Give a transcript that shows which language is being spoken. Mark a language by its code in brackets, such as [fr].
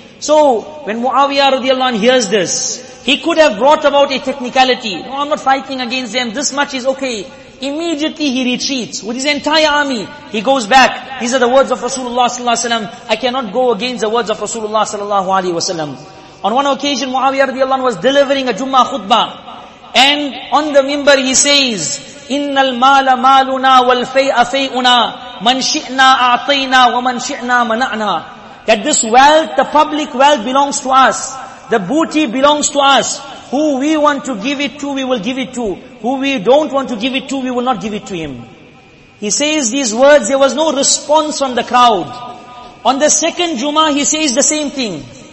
[en] So when Muawiyah radiallahu anhu hears this, he could have brought about a technicality. No, I'm not fighting against them. This much is okay. Immediately he retreats with his entire army. He goes back. These are the words of Rasulullah sallallahu alaihi wasallam. I cannot go against the words of Rasulullah sallallahu alaihi wasallam. On one occasion, Muawiyah radiallahu anhu was delivering a Jummah khutbah. And on the minbar he says, [ar] إِنَّ الْمَالَ مَالُنَا وَالْفَيْءَ فَيْءُنَا مَنْ شِئْنَا أَعْطَيْنَا وَمَنْ شِئْنَا مَنَعْنَا. [en] That this wealth, the public wealth belongs to us. The booty belongs to us. Who we want to give it to, we will give it to. Who we don't want to give it to, we will not give it to him. He says these words, there was no response from the crowd. On the second Jummah, he says the same thing.